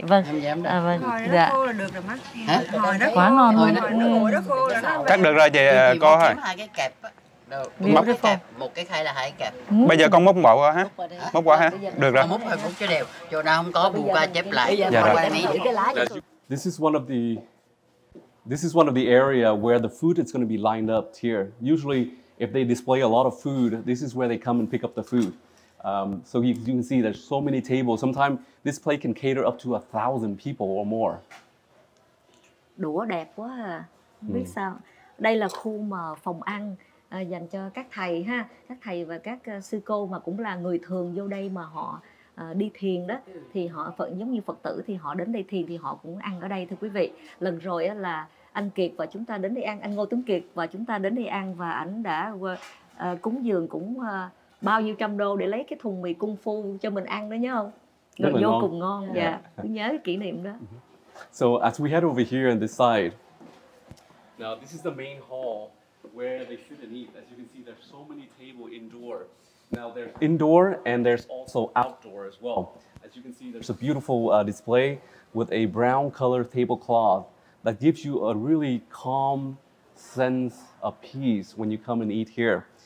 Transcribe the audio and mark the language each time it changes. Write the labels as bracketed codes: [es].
[vi] Vâng. À vâng. Dạ. Quá ngon luôn. Chắc được rồi chị cô hả? Đâu, móc cái kẹp, một cái khay là hai cái kẹp. Bây giờ con móc bộ qua hả? Móc qua hả? Được rồi. Móc hồi móc cho đều. Chỗ nào không có bù qua chép lại. Dạ rồi. [en] This is one of the area where the food is going to be lined up here. Usually if they display a lot of food, this is where they come and pick up the food. So you can see there's so many tables. Sometimes this place can cater up to 1,000 people or more. [vi] Đũa đẹp quá. Biết sao? Đây là khu mà phòng ăn dành cho các thầy ha, các thầy và các sư cô mà cũng là người thường vô đây mà họ đi thiền đó, thì họ giống như Phật tử thì họ đến đây thiền thì họ cũng ăn ở đây thưa quý vị. Lần rồi là anh Kiệt và chúng ta đến đây ăn, anh Ngô Tuấn Kiệt và chúng ta đến đây ăn, và ảnh đã cúng dường cũng bao nhiêu trăm đô để lấy cái thùng mì Kung Fu cho mình ăn đó, nhớ không? Rất là vô ngon. Cùng ngon, dạ, yeah. Yeah. Nhớ cái kỷ niệm đó. [en] So as we head over here on this side, now this is the main hall where they should eat. As you can see, there's so many tables indoor. Now there's indoor and there's also outdoor as well. As you can see, there's a beautiful display with a brown color tablecloth that gives you a really calm sense of peace when you come and eat here.